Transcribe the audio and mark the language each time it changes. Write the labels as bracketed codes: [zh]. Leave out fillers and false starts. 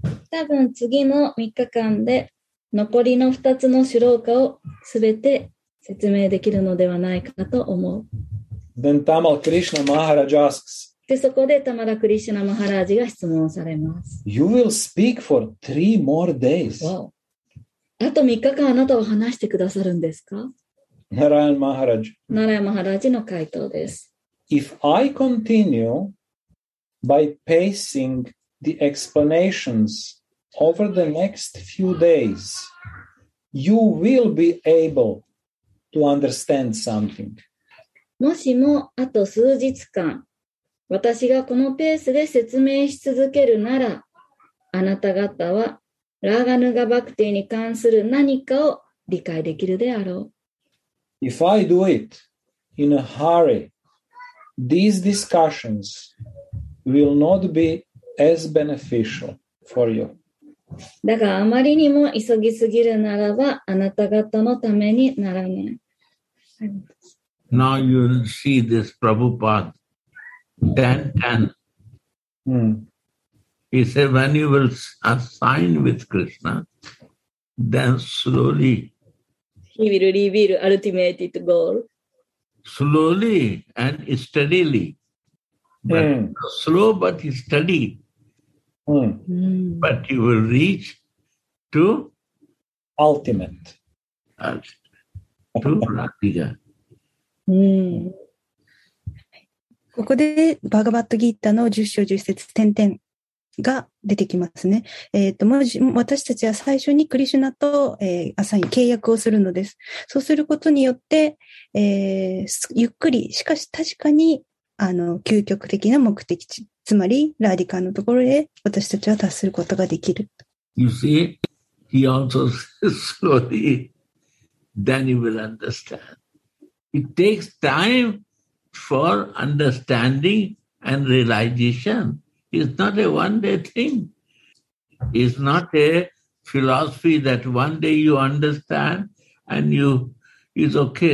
[ja] 多分次の3日間で残りの2つのシュローカをすべて説明できるのではないかと思う。 [en] Then Tamal Krishna Maharaj asks. [ja] でそこで玉田クリシュナマハラジが質問されます。 [en] You will speak for three more days. Wow. [ja] あと3日間あなたを話してくださるんですか？ [en] Narayan Maharaj. [ja] Narayan Maharaj の回答です。 [en] If I continue by pacing the explanations over the next few days, you will be able to understand something. [ja] もしもあと数日間私がこのペースで説明し続けるならあなた方はラーガヌガバクティに関する何かを理解できるであろう。 [en] If I do it in a hurry, these discussions will not be as beneficial for you. [ja] だがあまりにも急ぎすぎるならばあなた方のためにならない。 [en] Now you will see this Prabhupada 10:10. He said, when you will assign with Krishna, then slowly he will reveal ultimate goal. slowly and steadily. Slow but steady. But you will reach to ultimate. To Bhaktiga. [ja] ここでバガバットギータの10章10節点々が出てきますね。私たちは最初にクリシュナと、アサイン契約をするのです。そうすることによって、ゆっくり、しかし確かに、究極的な目的地、つまりラディカのところへ私たちは達することができる。 [en] You see, he also says slowly, then you will understand. It takes time. For understanding and realization is not a one-day thing. It's not a philosophy that one day you understand and you is okay.